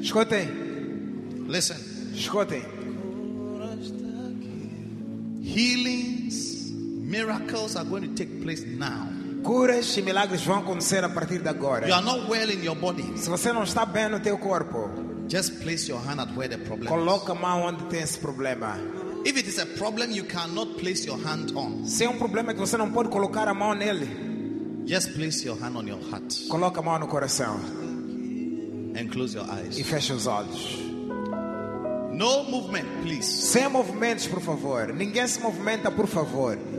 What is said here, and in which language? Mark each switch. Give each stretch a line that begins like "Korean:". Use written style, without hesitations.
Portuguese: Escutem.
English: Listen.
Portuguese: Escutem.
English: Healings, miracles are going to take place now.
Portuguese: Curas e milagres vão acontecer a partir de agora.
English: You are not well in your body.
Portuguese: Se você não está bem no teu corpo,
English: just place your hand at where the problem
Portuguese: is. Coloca a mão onde tem esse problema.
English: If it is a problem you cannot place your hand on,
Portuguese: se é problema que você não pode colocar a mão nele,
English: just place your hand on your heart.
Portuguese: Coloca a mão no coração.
English: And close your eyes.
Portuguese: E feche os olhos.
English: No movement, please.
Portuguese: Sem movimentos, por favor. Ninguém se movimenta, por favor.